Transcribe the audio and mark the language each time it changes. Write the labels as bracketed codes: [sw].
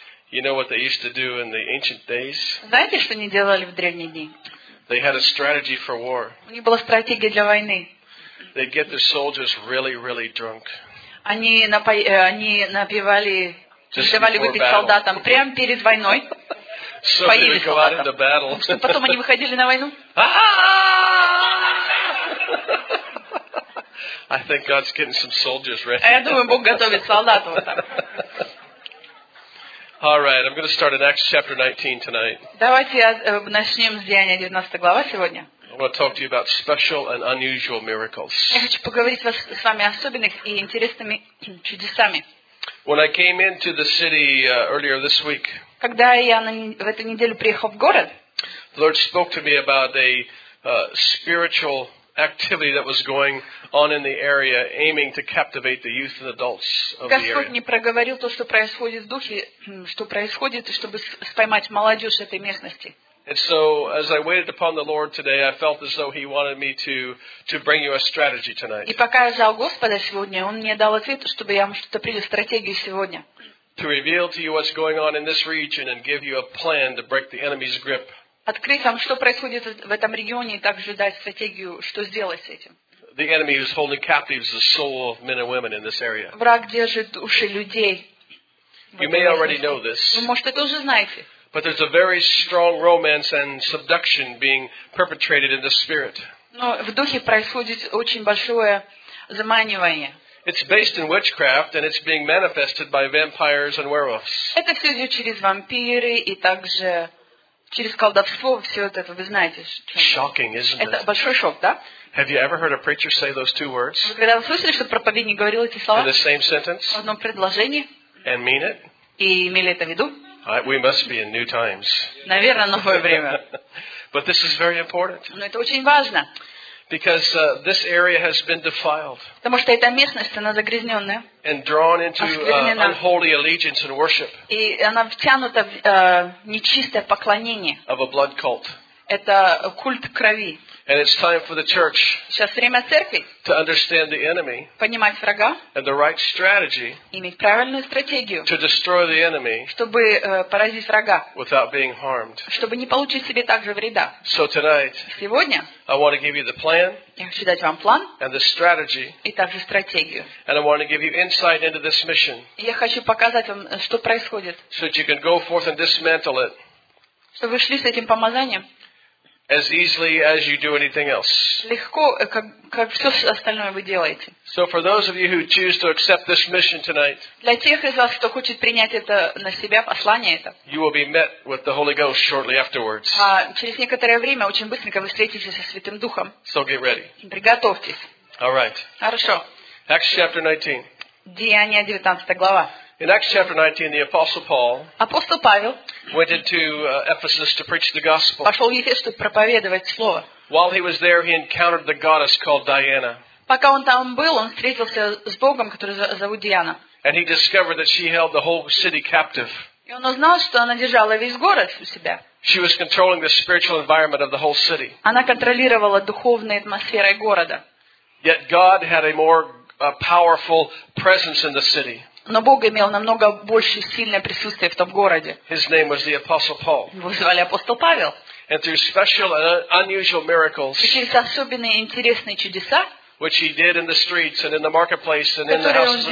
[en] You know what they used to do in the ancient days? [ru] Знаете, что они делали в древние дни? [en] They had a strategy for war. [ru] У них была стратегия для войны. [en] They get their soldiers really, really drunk. [ru] Они напивали, давали выпить солдатам прямо перед войной. [en] So they would go out into battle. [ru] Потом они выходили на войну. [en] I think God's getting some soldiers ready. [ru] Я думаю, Бог готовит солдат вот так. [en] All right, I'm going to start in Acts chapter 19 tonight. [ru] Давайте начнем с Деяния 19 глава сегодня. [en] I want to talk to you about special and unusual miracles. [ru] Я хочу поговорить с вами о особенных и интересными чудесами. [en] When I came into the city earlier this week. [ru] Когда я в эту неделю приехал в город. [en] The Lord spoke to me about a spiritual activity that was going on in the area, aiming to captivate the youth and adults of the area. [ru] Господь не проговорил то, что происходит в духе, что происходит, чтобы поймать молодежь этой местности. [en] And so, as I waited upon the Lord today, I felt as though He wanted me to bring you a strategy tonight. [ru] И пока я ждал Господа сегодня, Он мне дал ответ, чтобы я вам что-то принес стратегию сегодня. [en] To reveal to you what's going on in this region and give you a plan to break the enemy's grip. [ru] Открыть вам, что происходит в этом регионе, и также дать стратегию, что сделать с этим. [en] The enemy is holding captives the soul of men and women in this area. [ru] Враг держит души людей. [en] You may already know this. [ru] Вы, может, это уже знаете. [en] But there's a very strong romance and subduction being perpetrated in the spirit. [ru] Но в духе происходит очень большое заманивание. [en] It's based in witchcraft and it's being manifested by vampires and werewolves. [ru] Это все идет через вампиры и также через колдовство, все это вы знаете. [en] Shocking, isn't it? [ru] Это большой шок, да? [en] Have you ever heard a preacher say those two words? [ru] Вы когда-то слышали, что проповедник говорил эти слова? [en] In the same sentence? [ru] В одном предложении? [en] And mean it? [ru] И имели это в виду? [en] We must be in new times. [ru] Наверное, новое время. [en] But this is very important. [ru] Но это очень важно. [en] Because this area has been defiled. [ru] Потому что эта местность, она загрязненная. [en] And drawn into unholy allegiance and worship. [ru] И она втянута в нечистое поклонение. [en] Of a blood cult. [ru] Это культ крови. [en] And it's time for the church to understand the enemy, [ru] понимать врага, [en] and the right strategy, [ru] иметь правильную стратегию, [en] to destroy the enemy, [ru] чтобы поразить врага, [en] without being harmed, [ru] чтобы не получить себе также вреда. [en] So tonight, [ru] сегодня, [en] I want to give you the plan, [ru] я хочу дать вам план, [en] and the strategy, [ru] и также стратегию, [en] and I want to give you insight into this mission, [ru] я хочу показать вам, что происходит, [en] so that you can go forth and dismantle it, [ru] чтобы вы шли с этим помазанием. [en] As easily as you do anything else. [ru] Легко, как все остальное вы делаете. [en] So for those of you who choose to accept this mission tonight, [ru] для тех из вас, кто хочет принять это на себя, послание это, [en] you will be met with the Holy Ghost shortly afterwards. [ru] Через некоторое время, очень быстренько, вы встретитесь со Святым Духом. [en] So get ready. [ru] Приготовьтесь. [en] All right. [ru] Хорошо. [en] Acts chapter 19. [ru] Деяния 19 глава. [en] In Acts chapter 19, the Apostle Paul [ru] апостол Павел [en] went into Ephesus to preach the gospel. [ru] Пошел в Ефес, чтобы проповедовать слово. [en] While he was there, he encountered the goddess called Diana. [ru] Пока он там был, он встретился с богом, который зовут Диана. [en] And he discovered that she held the whole city captive. [ru] И он узнал, что она держала весь город у себя. [en] She was controlling the spiritual environment of the whole city. [ru] Она контролировала духовной атмосферой города. [en] Yet God had a more powerful presence in the city. [ru] Но Бог имел намного больше сильное присутствие в том городе. [en] His name was the Apostle Paul. [ru] Его звали апостол Павел. [en] And through special and unusual miracles, [ru] и через особенные интересные чудеса, [en] which he did in the streets and in the marketplace and in the houses of God,